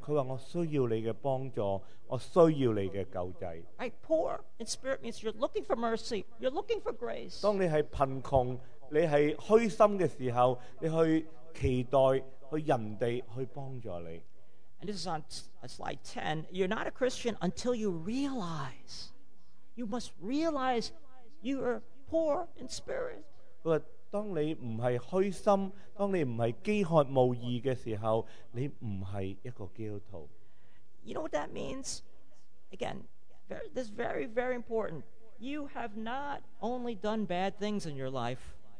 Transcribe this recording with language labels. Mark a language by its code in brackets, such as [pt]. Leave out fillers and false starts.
[yue] 佢話我需要你嘅幫助，我需要你嘅救濟。 [en] Right, poor in spirit means you're looking for mercy. You're looking for grace. [yue] 當你係貧窮，你係虛心嘅時候，你去期待去人哋去幫助你。 [en] And this is on slide 10. You're not a Christian until you realize. You must realize you are poor in spirit. [yue] 佢話：當你唔係虛心，當你唔係飢渴慕義嘅時候，你唔係一個基督徒。 [en] You know what that means? Again, this is very, very important. You have not only done bad things in your life.